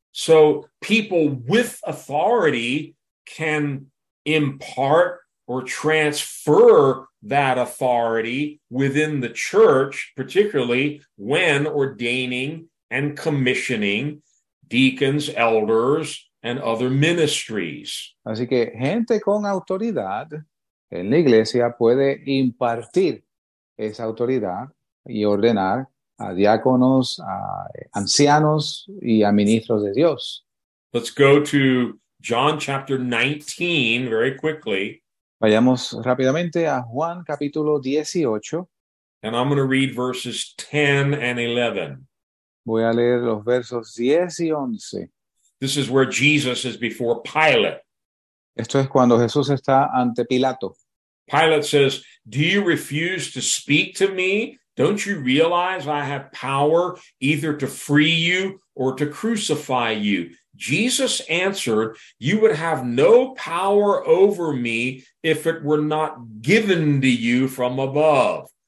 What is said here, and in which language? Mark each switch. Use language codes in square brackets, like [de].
[en] So people with authority can impart or transfer that authority within the church, particularly when ordaining and commissioning deacons, elders, and other ministries. [es] Así que gente con autoridad en la iglesia puede impartir esa autoridad y ordenar a diáconos, a ancianos y a ministros de Dios. [en] Let's go to John chapter 19 very quickly. [es] Vayamos rápidamente a Juan capítulo 18. [en] And I'm going to read verses 10 and 11. [es] Voy a leer los versos 10 y 11. [en] This is where Jesus is before Pilate. [es] Esto es cuando Jesús está ante Pilato. [en] Pilate says, "Do you refuse to speak to me? Don't you realize I have power either to free you or to crucify you?" Jesus answered, "You would have no power over me if it were not given to you from above.